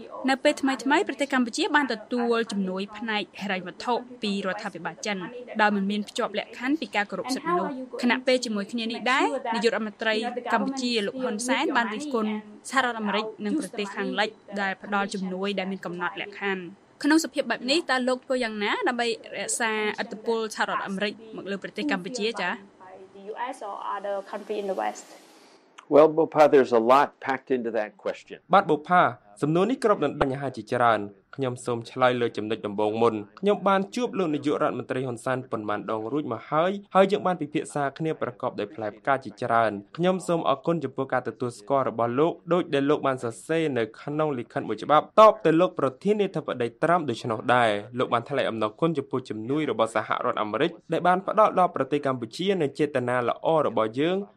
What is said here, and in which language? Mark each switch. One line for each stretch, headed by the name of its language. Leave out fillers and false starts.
Khmer: នៅពេលថ្មីៗប្រទេសកម្ពុជាបានទទួលជំនួយផ្នែកហិរញ្ញវត្ថុពីរដ្ឋាភិបាលចិនដោយមានភ្ជាប់លក្ខខណ្ឌពីការគោរពសិទ្ធិមនុស្សខណៈពេលជាមួយគ្នានេះដែរនាយករដ្ឋមន្ត្រីកម្ពុជាលោកហ៊ុនសែនបានរិះគន់សហរដ្ឋអាមេរិកនិងប្រទេសខាងលិចដែលផ្ដល់ជំនួយដែលមានកំណត់លក្ខខណ្ឌក្នុងសភាពបែបនេះតើលោកធ្វើយ៉ាងណាដើម្បីរក្សាឥទ្ធិពលសហរដ្ឋអាមេរិកមកលើប្រទេសកម្ពុជាចា
English: Well, Bopha, there's a lot packed into that question.
Khmer: But Bopha, សំណួរនេះគ្របដណ្ដប់បញ្ហាជាច្រើនខ្ញុំសូមឆ្លើយលើចំណុចដំបូងមុនខ្ញុំបានជួបលោកនាយករដ្ឋមន្ត្រីហ៊ុនសែនប៉ុន្មានដងរួចមកហើយហើយយើងបានពិភាក្សាគ្នាប្រកបដោយផ្លែផ្កាជាច្រើនខ្ញុំសូមអរគុណចំពោះការទទួលស្គាល់របស់លោកដូចដែលលោកបានសរសេរនៅក្នុងលិខិតមួយច្បាប់តបទៅលោកប្រធានាធិបតីត្រាំដូច្នោះដែរលោកបានថ្លែងអំណរគុណចំពោះជំនួយរបស់សហរដ្ឋអាមេរិកដែលបានផ្ដល់ដល់ប្រទេសកម្ពុជានូវចេតនាល្អរបស់យើង